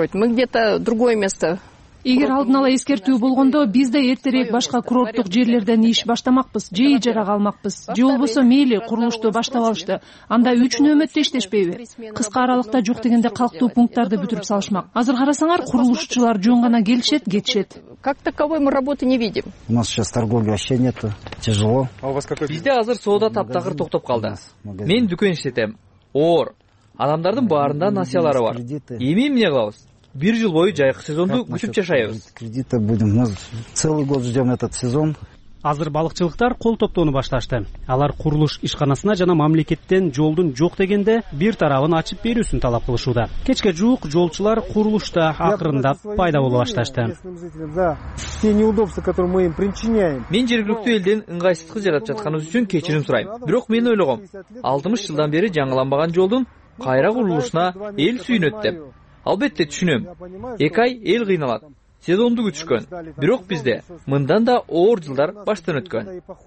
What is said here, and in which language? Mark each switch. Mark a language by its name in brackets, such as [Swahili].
[Russian] Мы где-то другое место. [Kyrgyz] Эгер алдын ала эскертүү болгондо биз да эртерээк башка курорттук жерлерден иш баштамакпыз, жей жарак алмакпыз. Же болбосо мейли курулушту баштап алышты. Анда үч нөөмөттө иштешпейби? Кыска аралыкта жок дегенде калктуу пункттарды бүтүрүп салышмак. Азыр карасаңар курулушчулар жөн гана келишет, кетишет. [Russian] Как таковой мы работы не видим. У нас сейчас торговли вообще нету. Тяжело. А у вас какой? [Kyrgyz] Бизде азыр соода таптакыр токтоп калды. Мен дүкөн иштетем. Оор. Адамдардын баарында насиялары бар. Эми эмне кылабыз? Бир жыл бою жайкы сезонду күтүп жашайбыз. [Russian] Кредита будем. Мы целый год ждем этот сезон. [Kyrgyz] Азыр балыкчылыктар кол топтоону башташты. Алар курулуш ишканасына жана мамлекеттен жолдун жок дегенде бир тарабын ачып берүүсүн талап кылышууда. Кечке жуук жолчулар курулушта акырындап пайда боло башташты. [Russian] Те неудобства, которые мы им причиняем. [Kyrgyz] Мен жергиликтүү элден ыңгайсыздыгы жаратып жатканыбыз үчүн кечирим сурайм. Бирок мен ойлогом, 60 жылдан бери жаңыланбаган жолдун кайра курулушуна эл сүйүнөт деп. Албетте түшүнөм. 2 ай эл кыйналат. Сезонду күтүшкөн. Бирок бизде мындан да оор жылдар баштан өткөн.